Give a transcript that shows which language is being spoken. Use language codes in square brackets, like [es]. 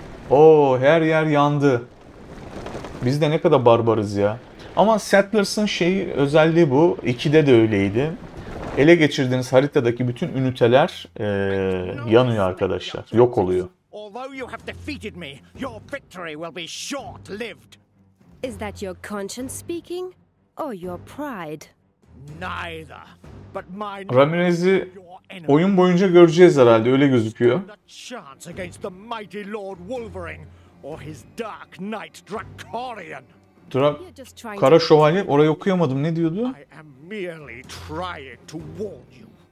[tr] Oo, her yer yandı. Biz de ne kadar barbarız ya. Ama Settlers'ın şeyi özelliği bu. 2'de de öyleydi. Ele geçirdiğiniz haritadaki bütün üniteler yanıyor arkadaşlar. Yok oluyor. [en] Although you have defeated me, your victory will be short-lived. Is that your conscience speaking or your pride? Neither. But my [tr] Ramirez'i oyun boyunca göreceğiz herhalde, öyle gözüküyor. [en] Chance against the mighty Lord Wolverine or his dark knight Draconian. [tr] Kara Şövalye, orayı okuyamadım, ne diyordu? [en] I am merely trying to warn you.